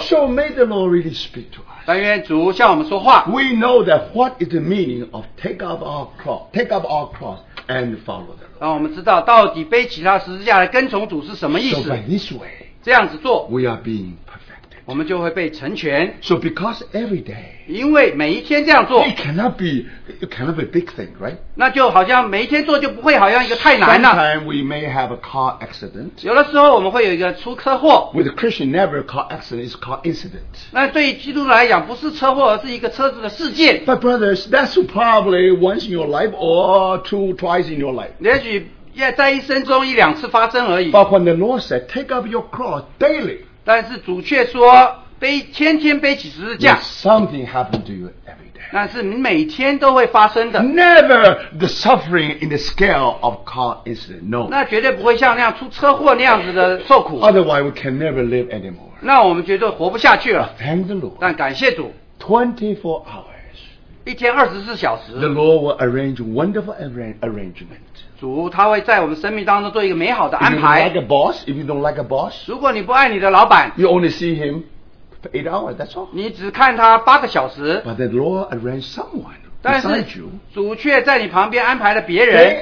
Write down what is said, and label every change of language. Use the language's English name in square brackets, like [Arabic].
[English] So may the Lord really speak to us. [Chinese] 但愿主向我们说话。 [English] We know that what is the meaning of take up our cross and follow the Lord. [Chinese] 让我们知道到底背起他十字架来跟从主是什么意思。 [English] So by this way, [Chinese] 这样子做, [English] we are being perfected. [Chinese] 我们就会被成全。 [English] So because every day, [Chinese] 因为每一天这样做, [English] it cannot be a big thing, right? [Chinese] 那就好像每一天做就不会好像一个太难了。 [English] Sometimes we may have a car accident. [Chinese] 有的时候我们会有一个出车祸。 [English] With a Christian, never a car accident, it's a car incident. [Chinese] 那对于基督来讲不是车祸而是一个车子的事件。 [English] But brothers, that's probably once in your life or twice in your life. [Chinese] 也许在一生中一两次发生而已。 [English] But when the Lord said, take up your cross daily, [Chinese] 但是主却说背天天背起十字架。 [English] Something happened to you every day. [Chinese] 但是你每天都会发生的。 [English] Never the suffering in the scale of car incident, no. [Chinese] 那绝对不会像那样出车祸那样子的受苦。 [English] Otherwise we can never live anymore. [Chinese] 那我们绝对活不下去了。 [English] Thank the Lord. [Chinese] 但感谢主。 [English] 24 hours. [Chinese] 一天二十四小时。 [English] The Lord will arrange wonderful arrangement. [Chinese] 主他会在我们生命当中做一个美好的安排。 [English] If you don't like a boss, if you don't like a boss, [Chinese] 如果你不爱你的老板。 [English] You only see him for 8 hours, that's all. [Chinese] 你只看他八个小时。 [English] But the Lord arranged someone. [Chinese] 但是主却在你旁边安排了别人。